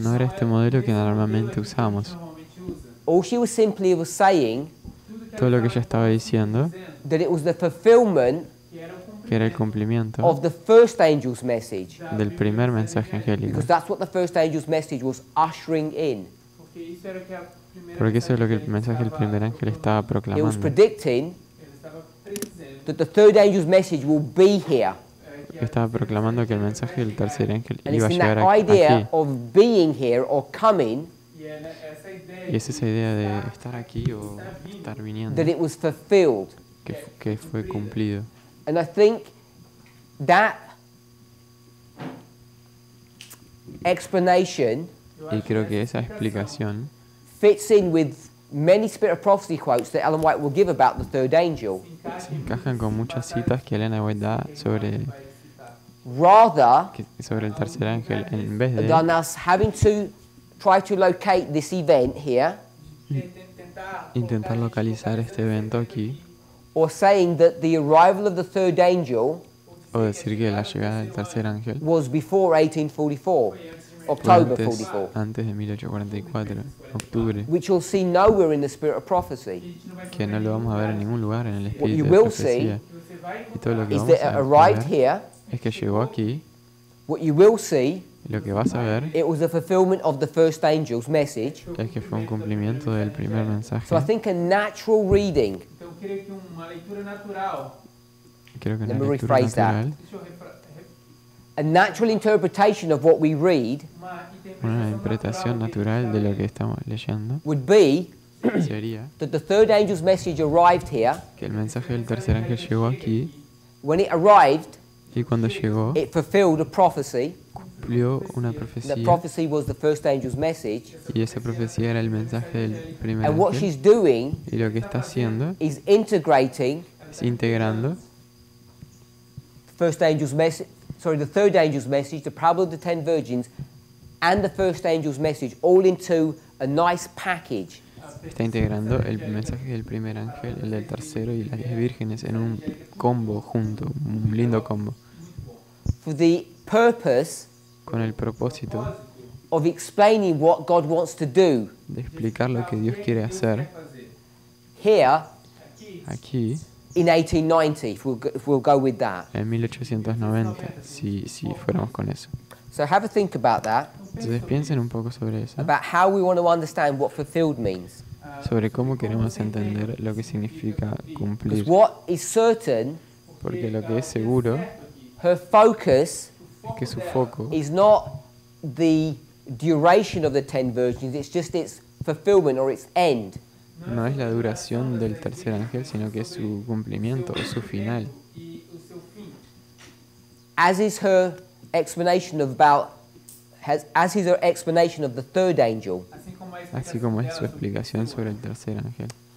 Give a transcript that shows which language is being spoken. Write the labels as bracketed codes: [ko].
[es] No era este modelo que normalmente usamos. [en] All she was simply was saying, [es] todo lo que ella estaba diciendo, [en] that it was the fulfillment, [es] que era el cumplimiento [en] of the first angel's message, [es] del primer mensaje angélico. [en] Because that's what the first angel's message was ushering in. [es] Porque eso es lo que el mensaje del primer ángel estaba proclamando. [en] It was predicting that the third angel's message will be here. [es] Estaba proclamando que el mensaje del tercer ángel [en] and [es] iba a llegar aquí. [en] And idea of being here or coming. [es] Y es esa idea de estar aquí o estar viniendo. [en] That it was fulfilled. [es] Que fue cumplido. [en] And I think that explanation. [es] Y creo que esa explicación [en] fits in with many spirit of prophecy quotes that Ellen White will give about the third angel. [es] Se encajan con muchas citas que Ellen White da sobre. [en] Rather. [es] Que, sobre el tercer ángel en vez de. [en] Than us having to. Try to locate this event here. [es] Intentar localizar este evento aquí. [en] Or saying that the arrival of the third angel. [es] O decir que la llegada del tercer ángel. [en] Was before 1844, October 44. [es] Antes de 1844, octubre. [en] Which you'll see nowhere in the spirit of prophecy. [es] Que no lo vamos a ver en ningún lugar en el espíritu. [en] What you will see. [es] Y todo lo que [en] is that it arrived here. [es] Es que llegó aquí. [en] What you will see. [es] Lo que vas a ver, [en] it was a fulfillment of the first angel's message. [es] Es que fue un cumplimiento del primer mensaje. [en] So I think a natural reading. [es] Creo que una lectura natural. [en] Let me rephrase that. A natural interpretation of what we read. [es] Una interpretación natural de lo que estamos leyendo. [en] Would be. [es] Sería. [en] That the third angel's message arrived here. [es] Que el mensaje del tercer ángel llegó aquí. [en] When it arrived. [es] Y cuando llegó. [en] It fulfilled a prophecy. [es] Una profecía, [en] the prophecy was the first angel's message. [es] Y esa profecía era el mensaje del primer ángel. [en] And what she's doing, [es] y lo que está haciendo, [en] is integrating, [es] es integrando, [en] the first angel's message, sorry, the third angel's message, the parable of the ten virgins, and the first angel's message, all into a nice package. [es] está integrando el mensaje del primer ángel, el del tercero y las diez vírgenes en un combo junto, un lindo combo. [en] For the purpose, [es] con el propósito [en] of explaining what God wants to do, [es] de explicar lo que Dios quiere hacer [en] here, [es] aquí [en] in 1890, if we'll go with that. [es] En 1890, si fuéramos con eso. [en] So have a think about that. [es] Entonces piensen un poco sobre eso. [en] About how we want to understand what fulfilled means. [es] Sobre cómo queremos entender lo que significa cumplir. [en] What is certain? [es] Porque lo que es seguro. [en] Her focus. [es] Es que su foco. [en] Is not the duration of the ten virgins. It's just its fulfillment or its end. [es] No es la duración del tercer ángel, sino que es su cumplimiento o su final. [en] As is her explanation of about, as is her explanation of the third angel. [es] Así como es su explicación sobre el tercer ángel.